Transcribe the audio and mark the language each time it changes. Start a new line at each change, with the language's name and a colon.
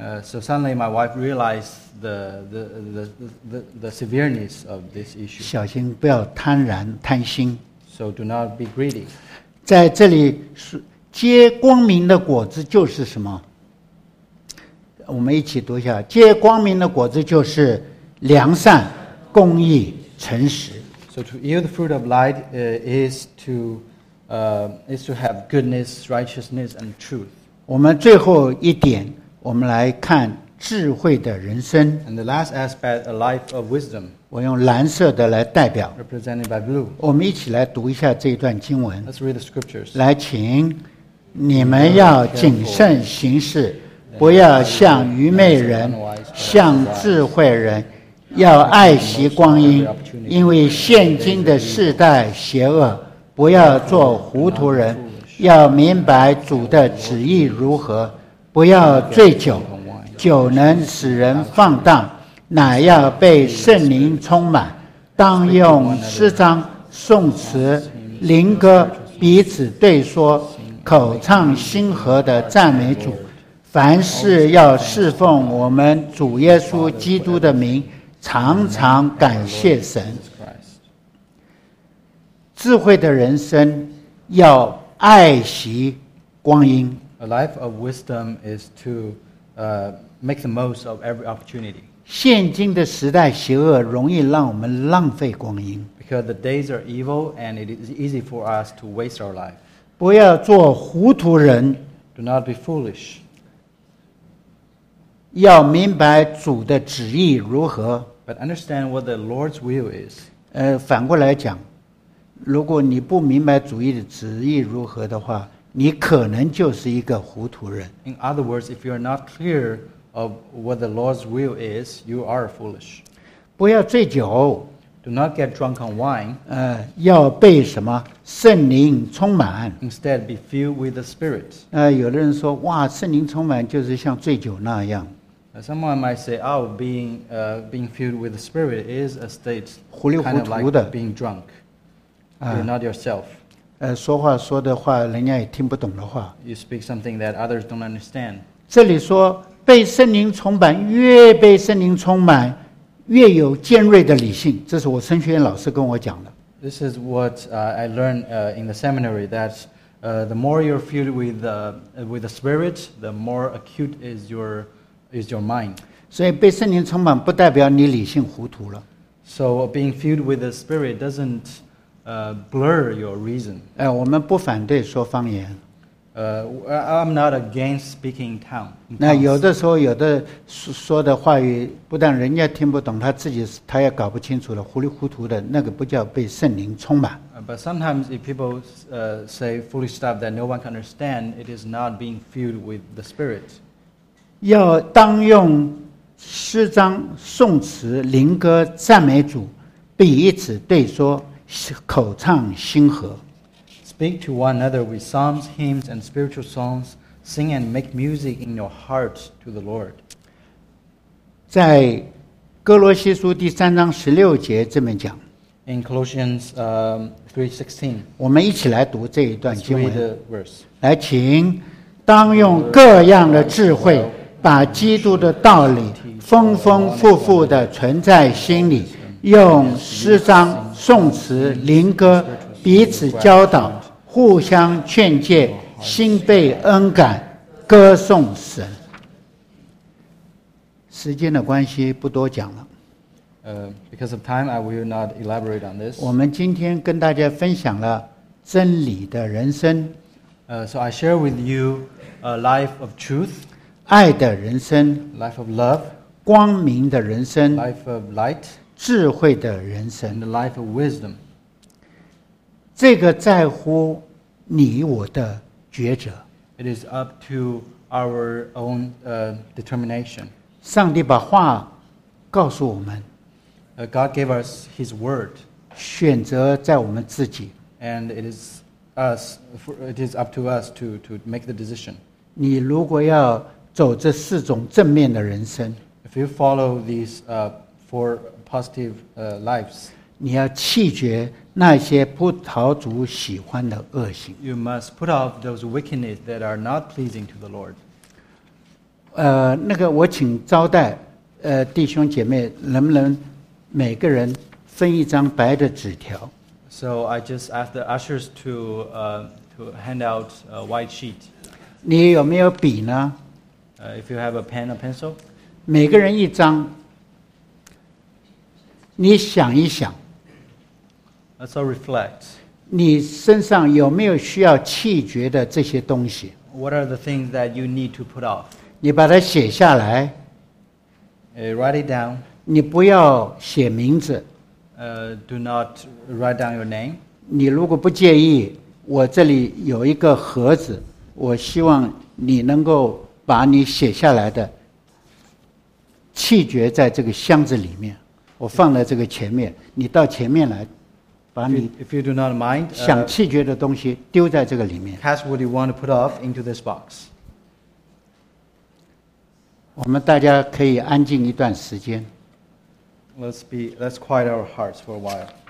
English: So suddenly my wife realized the severeness of this issue.
Chinese: 小心不要贪婪贪心。
English: So do not be greedy.
Chinese: 在这里结光明的果子就是什么？我们一起读一下：结光明的果子就是良善、公义、诚实。
English: So to yield the fruit of light is to have goodness, righteousness, and truth.
Chinese: 我们最后一点，我们来看智慧的人生。
English: And the last aspect, a life of wisdom.
Chinese: 我用蓝色的来代表。
English: Represented by blue.
Chinese: 我们一起来读一下这一段经文。
English: Let's read the scriptures.
Chinese: 来，请你们要谨慎行事，不要像愚昧人，像智慧人，要爱惜光阴，因为现今的世代邪恶。不要做糊涂人，要明白主的旨意如何。不要醉酒，酒能使人放荡，乃要被圣灵充满。当用诗章、颂词、灵歌彼此对说，口唱心和的赞美主。凡事要侍奉我们主耶稣基督的名，常常感谢神。智慧的人生要爱惜光阴。
English: A life of wisdom is to make the most of every opportunity.
Chinese: 现今的时代邪恶，容易让我们浪费光阴。
English: Because the days are evil and it is easy for us to waste our life.
Chinese: 不要做糊涂人。
English: Do not be foolish.
Chinese: 要明白主的旨意如何。
English: But understand what the Lord's will is.
Chinese: 反过来讲，如果你不明白主义的旨意如何的话，你可能就是一个糊涂人。
English: In other words, if you are not clear of what the Lord's will is, you are foolish.
Chinese: 不要醉酒。
English: Do not get drunk on wine.
Chinese: 要被什么？圣灵充满。
English: Instead, be filled with the Spirit.
Chinese: 有的人说，哇，圣灵充满就是像醉酒那样。
English: Someone might say, oh, being filled with the Spirit is a state kind of like being drunk. You're not yourself.
Chinese: 说话说的话，人家也听不懂的话。
English: You speak something that others don't understand.
Chinese: 这里说被圣灵充满，越被圣灵充满，越有尖锐的理性。这是我神学院老师跟我讲的。
English: This is what I learned in the seminary. That the more you're filled with the spirit, the more acute is your mind.
Chinese: 所以被圣灵充满不代表你理性糊涂了。
English: So being filled with the spirit doesn't blur your reason.
Chinese: 我们不反对说方言。
English: I'm not against speaking tongues.
Chinese: 那有的时候，有的说的话语，不但人家听不懂，他也搞不清楚了，糊里糊涂的，那个不叫被圣灵充满。
English: But sometimes if people say foolish stuff that no one can understand, it is not being filled with the Spirit.
Chinese: 要当用诗章、颂词、灵歌赞美主，彼此对说。口唱心和。
English: Speak to one another with psalms, hymns, and spiritual songs. Sing and make music in your heart to the Lord.
Chinese: 在哥罗西书第三章十六节这么讲。
English: In Colossians 3:16,
Chinese: 我们一起来读这一段经文。
English: Let's read the verse.
Chinese: 来，请当用各样的智慧，把基督的道理丰丰富富的存在心里，用诗章、颂词、灵歌彼此教导，互相劝诫，心被恩感，歌颂神。时间的关系，不多讲了。
English: Because of time, I will not elaborate on this.
Chinese: 我们今天跟大家分享了真理的人生。
English: So I share with you a life of truth,
Chinese: 爱的人生
English: life of love,
Chinese: 光明的人生
English: life of light,
Chinese: 智慧的人生
English: and the life of wisdom.
Chinese: 这个在乎你我的抉择。
English: It is up to our own determination.
Chinese: 上帝把话告诉我们。
English: God gave us His word.
Chinese: 选择在我们自己。
English: And it is us. It is up to us to make the decision.
Chinese: 你如果要走这四种正面的人生
English: ，If you follow these four positive lives,
Chinese: 你要弃绝那些葡萄主喜欢的恶行。
English: You must put off those wickedness that are not pleasing to the Lord.
Chinese: 那个我请招待弟兄姐妹能不能？每个人分一张白的纸条。
English: So I just asked the ushers to hand out a white sheet.
Chinese: 你有没有笔呢？
English: If you have a pen or pencil.
Chinese: 每个人一张。你想一想。
English: Let's all reflect.
Chinese: 你身上有没有需要弃绝的这些东西
English: ？What are the things that you need to put off?
Chinese: 你把它写下来。
English: Write it down.
Chinese: 你不要写名字。
English: Do not write down your name.
Chinese: 你如果不介意，我这里有一个盒子，我希望你能够把你写下来的弃绝在这个箱子里面，我放在这个前面。你到前面来，把你
English: if you do not mind
Chinese: 想弃绝的东西丢在这个里面。
English: Cast what you want to put off into this box.
Chinese: 我们大家可以安静一段时间。
English: Let's quiet our hearts for a while.